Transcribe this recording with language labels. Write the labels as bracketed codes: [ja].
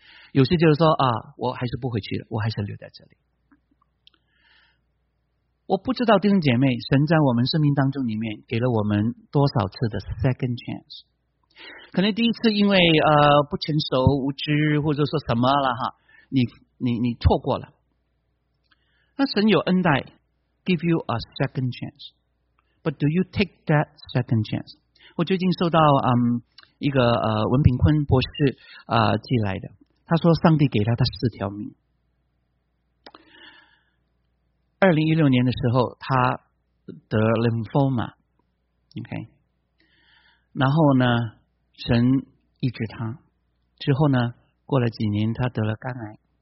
[zh] 有些就是说啊，我还是不回去了，我还是留在这里。我不知道弟兄姐妹，神在我们生命当中里面给了我们多少次的 [en] second chance。 [zh] 可能第一次因为不成熟、无知或者说什么了哈，你错过了。那神有恩待 [en] give you a second chance, [zh] but do you take that second chance? 我最近收到一个文炳坤博士寄来的，他说上帝给他的四条命。 2016年的时候，他得 lymphoma, OK, 然后呢，神医治他，之后呢，过了几年，他得了肝癌。